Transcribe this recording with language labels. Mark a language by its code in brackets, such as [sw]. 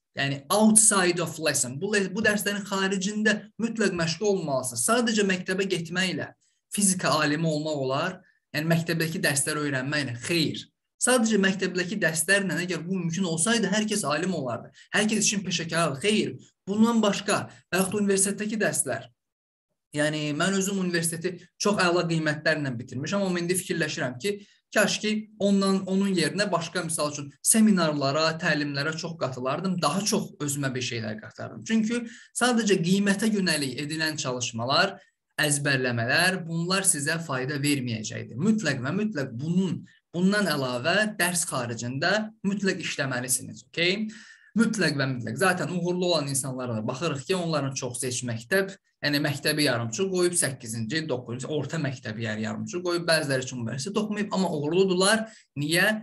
[az] Yəni, [en] outside of lesson. [az] Bu dərslərin xaricində mütləq məşğul olmalısın. Sadəcə məktəbə getməklə, fizika alimi olmaq olar, yəni məktəbdəki dərsləri öyrənməklə, xeyir. Sadəcə məktəbdəki dərslərlə, əgər bu mümkün olsaydı, hər kəs alim olardı. Hər kəs üçün peşəkar, xeyir. Bundan başqa, bəlkə universitetdəki dərslər, [tr] yani ben özüm üniversiteyi çok ayla kıymetlerle bitirmiş ama ben de fikirleşirim ki keşke onun yerine başka misal için seminarlara, təlimlere çok katılardım. Daha çok özüme bir şeyler katardım. Çünkü sadece kıymete yönelik edilen çalışmalar, ezberlemeler bunlar size fayda vermeyecekti. Mütləq ve mütləq bundan əlavə ders haricinde mütləq işlemelisiniz. Okay? [az] Mütləq və mütləq. Zaten uğurlu olan insanlara bakırıq ki, onların çox seç məktəb, yəni məktəbi yarımçıq qoyub, 8-ci, 9-cu, orta məktəbi yer yarımçıq qoyub, bəziləri üçün üniversitə toxmayıb, amma uğurludurlar. Niyə?